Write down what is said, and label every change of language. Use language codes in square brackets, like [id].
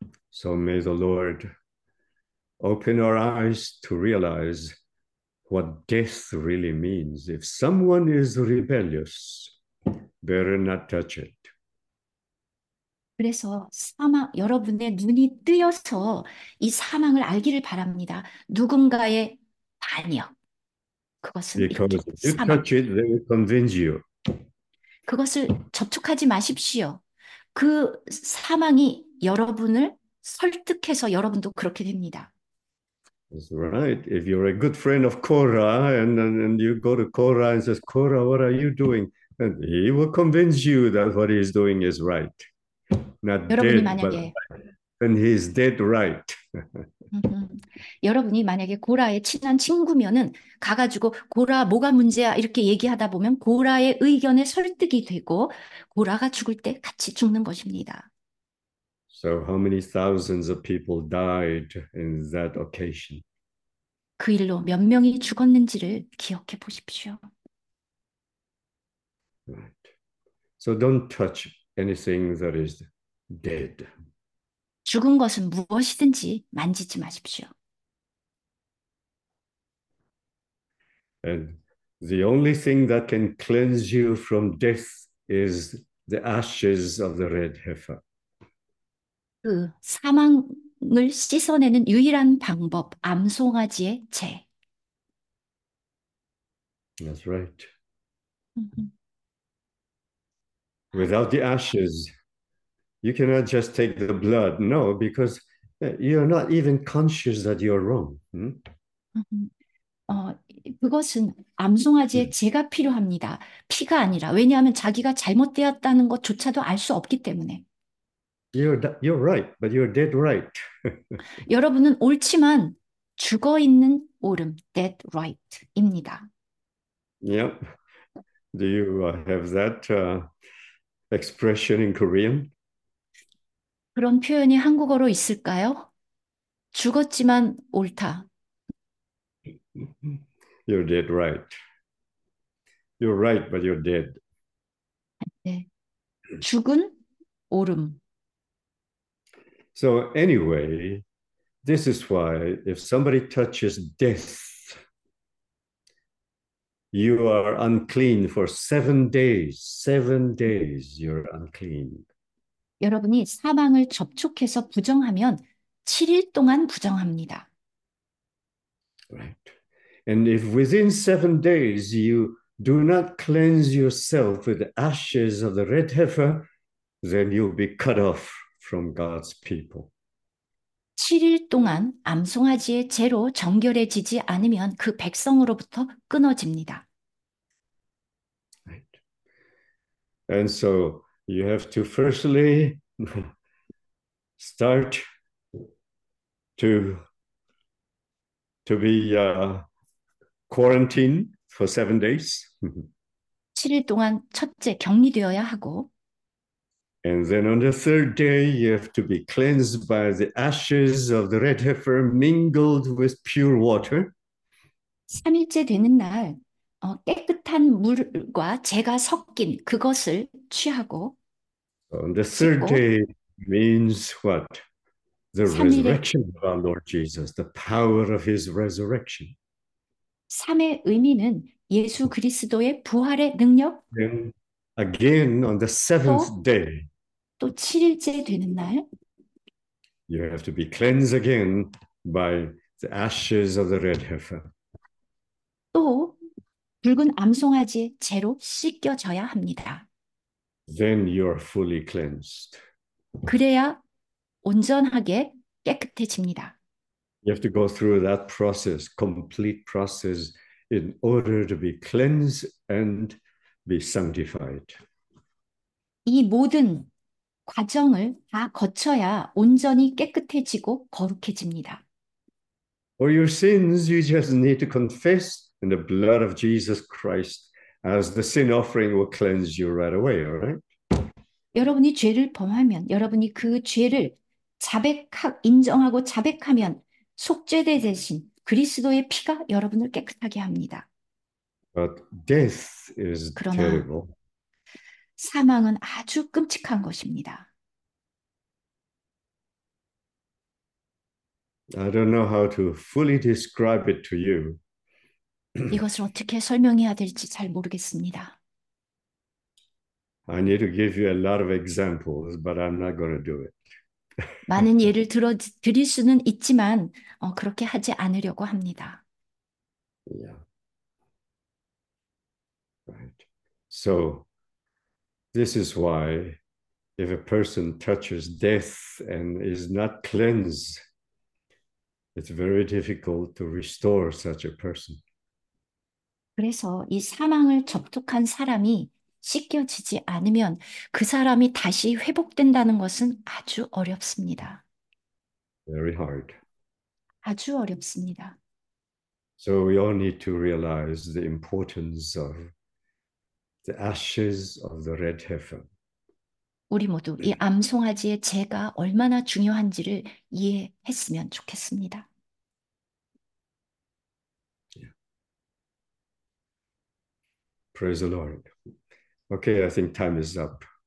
[en] So may the Lord open our eyes to realize what death really means. If someone is rebellious, better not touch it. [ko] 그래서 여러분의 눈이 뜨여서 이 사망을 알기를 바랍니다. 누군가의 반역. 그것은 이렇게 [en] Because if you [ko] 사망. [en] touch it, they will convince you. [ko] 그것을 접촉하지 마십시오. 그 사망이 여러분을 설득해서 여러분도 그렇게 됩니다. [en] That's right. If you're a good friend of Korah, and you go to Korah and says, Korah, what are you doing? And he will convince you that what he's doing is right. Not [ko] 여러분이 [en] dead, but [ko] 만약에 [en] alive. And he's dead right. [ko] 여러분이 만약에 고라의 친한 친구면은 가가지고 고라 뭐가 문제야 이렇게 얘기하다 보면 고라의 의견에 설득이 되고 고라가 죽을 때 같이 죽는 것입니다. [en] So how many thousands of people died in that occasion? [ko] 그 일로 몇 명이 죽었는지를 기억해 보십시오. [en] So don't touch anything that is dead. [ko] 죽은 것은 무엇이든지 만지지 마십시오. [en] And the only thing that can cleanse you from death is the ashes of the red heifer. [ko] 그 사망을 씻어내는 유일한 방법, 암송아지의 재. [en] That's right. Without the ashes, you cannot just take the blood. No, because you're not even conscious that you're wrong. [ko] 그것은 암송아지의 재가 필요합니다. 피가 아니라, 왜냐하면 자기가 잘못되었다는 것조차도 알수 없기 때문에. [en] You're right, but you're dead right. [ko] 여러분은 옳지만 죽어 있는 옳음, [en] dead right [ko] 입니다. [en] Yep. Do you have that expression in Korean? [ko] 그런 표현이 한국어로 있을까요? 죽었지만 옳다. [en] You're dead right. You're right, but you're dead. [ko] 네. 죽은 오름. [en] So anyway, this is why if somebody touches death, you are unclean for 7 days. 7 days you're unclean. [ko] 여러분이 사망을 접촉해서 부정하면 7일 동안 부정합니다. [en] Right. And if within 7 days you do not cleanse yourself with the ashes of the red heifer, then you'll be cut off from God's people. [ko] 7일 동안 암송아지의 재로 정결해지지 않으면 그 백성으로부터 끊어집니다. [en] And so you have to firstly start to be quarantined for 7 days. [ko] 7일 동안 첫째 격리되어야 하고, [en] And then on the third day, you have to be cleansed by the ashes of the red heifer mingled with pure water. [ko] 3일째 되는 날, 깨끗한 물과 재가 섞인 그것을 취하고 [en] On the third day means what? The resurrection of our Lord Jesus, the power of his resurrection. [ko] 3의 의미는 예수 그리스도의 부활의 능력, [en] Then again, on the seventh [ko] 또 [en] day, [ko] 7일째 되는 날, [en] you have to be cleansed again by the ashes of the red heifer. [ko] 또 붉은 암송아지의 재로 씻겨져야 합니다. [en] Then you are fully cleansed. [ko] 그래야 온전하게 깨끗해집니다. [en] You have to go through that process, complete process, in order to be cleansed and be sanctified. [ko] 이 모든 과정을 다 거쳐야 온전히 깨끗해지고 거룩해집니다. [en] For your sins, you just need to confess, and the blood of Jesus Christ as the sin offering will cleanse you right away, all right? [ko] 여러분이 죄를 범하면, 여러분이 그 죄를 인정하고 자백하면 속죄되 대신 그리스도의 피가 여러분을 깨끗하게 합니다. [en] But death is [ko] 그러나 [en] terrible. [ko] 사망은 아주 끔찍한 것입니다. [en] I don't know how to fully describe it to you. [ko] 이것을 어떻게 설명해야 될지 잘 모르겠습니다. [en] I need to give you a lot of examples, but I'm not going to [ko] 많은 [en] do it. [ko] 예를 들어 드릴 수는 있지만, 그렇게 하지 않으려고 합니다. [en] So, this is why if a person touches death and is not cleansed, it's very difficult to restore such a person. [ko] 그래서 이 사망을 접촉한 사람이 씻겨지지 않으면 그 사람이 다시 회복된다는 것은 아주 어렵습니다. [en] Very hard. [ko] 아주 어렵습니다. [en] So, we all need to realize the importance of the ashes of the red heifer. [ko] 우리 모두 이 암송아지의 재가 얼마나 중요한지를 이해했으면 좋겠습니다. [en] Praise the Lord. Okay, I think time is up.